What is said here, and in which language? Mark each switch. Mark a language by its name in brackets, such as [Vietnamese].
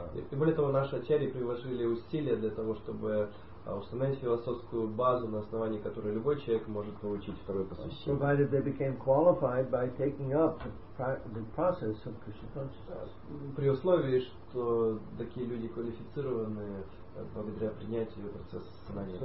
[Russian] И более того, наши ачарьи приложили усилия для того, чтобы установить философскую базу, на основании которой любой человек может получить второе посвящение. [English] Provided they became qualified by taking up the process of Krishna consciousness. [Russian] При условии, что такие люди квалифицированы благодаря принятию процесса сознания.